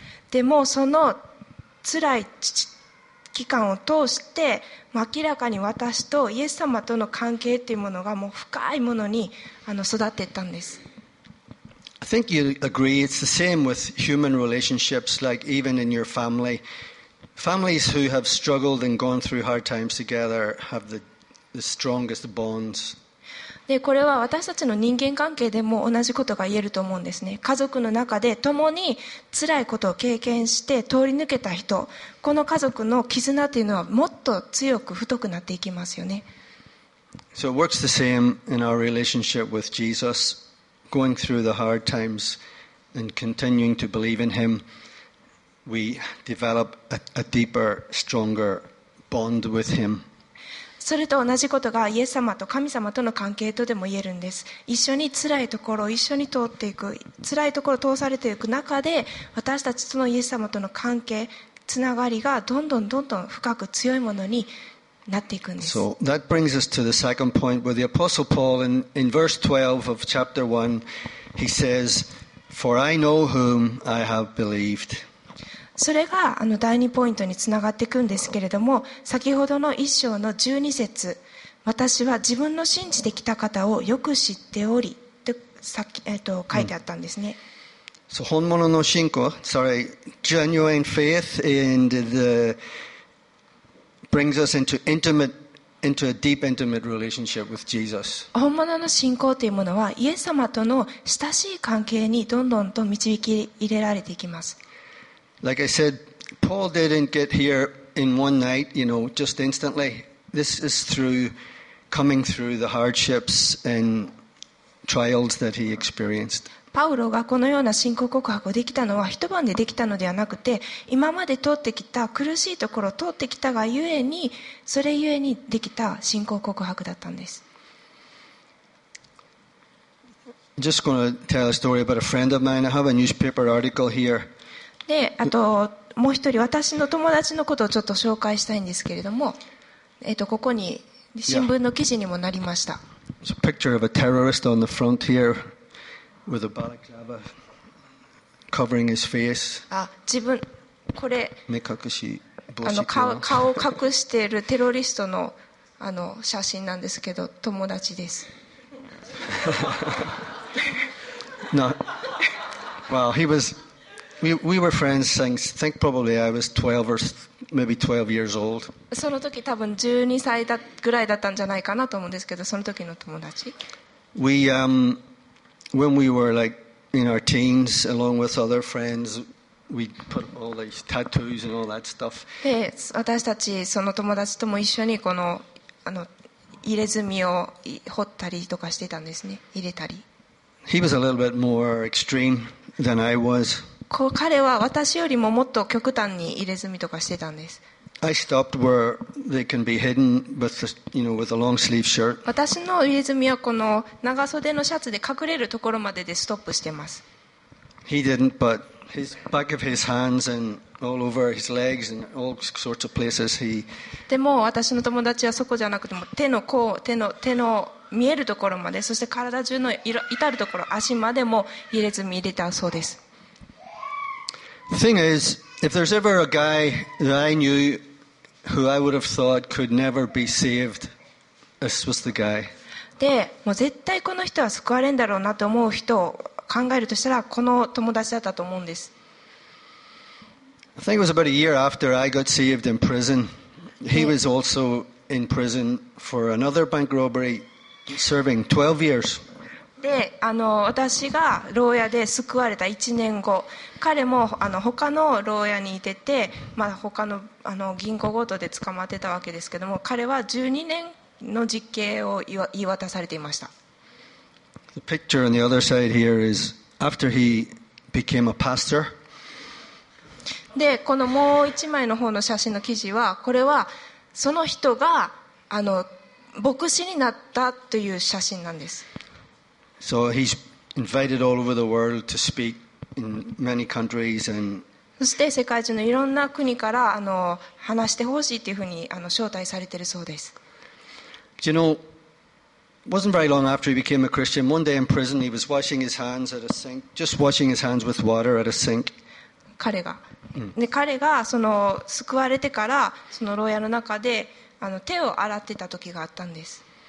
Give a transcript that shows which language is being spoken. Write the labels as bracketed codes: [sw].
[ja] でもその辛い期間を通して明らかに私とイエス様との関係というものがもう深いものに育っていったんです。 [en] I think you agree it's the same with human relationships, like even in your family. Families who have struggled and gone through hard times together have the strongest bonds. [ja] で、これは私たちの人間関係でも同じことが言えると思うんですね。家族の中で共に辛いことを経験して通り抜けた人、この家族の絆というのはもっと強く太くなっていきますよね。 [en] So it works the same in our relationship with Jesus, going through the hard times and continuing to believe in him, we develop a deeper, stronger bond with him. [ja] それと同じことがイエス様と神様との関係とでも言えるんです。一緒に辛いところを一緒に通っていく、辛いところを通されていく中で私たちとのイエス様との関係、つながりがどんどんどんどん深く強いものになっていくんです。 [en] So that brings us to the second point where the Apostle Paul in verse 12 of chapter 1 he says, For I know whom I have believed. [ja] それが第二ポイントにつながっていくんですけれども、先ほどの一章の十二節、私は自分の信じてきた方をよく知っておりと書いてあったんですね。 [en] So, [ja] 本物の信仰、 [en] genuine faith, and brings us into a deep, intimate relationship with Jesus. [ja] 本物の信仰というものはイエス様との親しい関係にどんどんと導き入れられていきます。 [en] Like I said, Paul didn't get here in one night, you know, just instantly. This is through coming through the hardships and trials that he experienced. [ja] パウロがこのような信仰告白をできたのは一晩でできたのではなくて、今まで通ってきた苦しいところを通ってきたがゆえに、それゆえにできた信仰告白だったんです。 [en] Just going to tell a story about a friend of mine. I have a newspaper article here. [ja] で、あともう一人私の友達のことをちょっと紹介したいんですけれども、ここに新聞の記事にもなりました。 [en] It's a picture of a terrorist on the front here with a balaclava covering his face. [ja] あ、自分これ目隠し帽子顔を隠しているテロリストの写真なんですけど、友達です。 [en] No. Well, he was. We were friends since, I think probably I was 12 or maybe 12 years old. [ja] その時多分12歳だぐらいだったんじゃないかなと思うんですけど、その時の友達。 [en] We, when we were like in our teens, along with other friends, we put all these tattoos and all that stuff. [ja] で、私たちその友達とも一緒にこの入れ墨を彫ったりとかしてたんですね。入れたり。 [en] He was a little bit more extreme than I was. [ja] 彼は私よりももっと極端に入れ墨とかしてたんです。 [en] I stopped where they can be hidden with the, you know, with a long sleeve shirt. [ja] 私の入れ墨はこの長袖のシャツで隠れるところまででストップしてます。 [en] He didn't, but his back of his hands and all over his legs and all sorts of places he. [ja] でも私の友達はそこじゃなくても手の甲、手の見えるところまで、そして体中の至るところ、足までも入れ墨入れたそうです。 [en] Thing is. If there's ever a guy that I knew who I would have thought could never be saved, this was the guy. [ja] で、もう絶対この人は救われんだろうなと思う人を考えるとしたら、この友達だったと思うんです。 [en] I think it was about a year after I got saved in prison. He was also in prison for another bank robbery, serving 12 years. [ja] で、私が牢屋で救われた1年後、彼も他の牢屋にいてて、まあ、他 の, 銀行強盗で捕まってたわけですけども、彼は12年の実刑を言い渡されていました。 [en] The picture on the other side here is after he became a pastor. [ja] で、このもう一枚の方の写真の記事は、これはその人が牧師になったという写真なんです。 [en] So he's invited all over the world to speak in many countries and. [ja] そして世界中のいろんな国から話してほしいというふうに招待されているそうです。 [en] You know, wasn't very long after he became a Christian. One day in prison, he was washing his hands at a sink, just washing his hands with water at a sink. [ja] 彼が、で彼がその救われてからその牢屋の中で手を洗ってた時があったんです。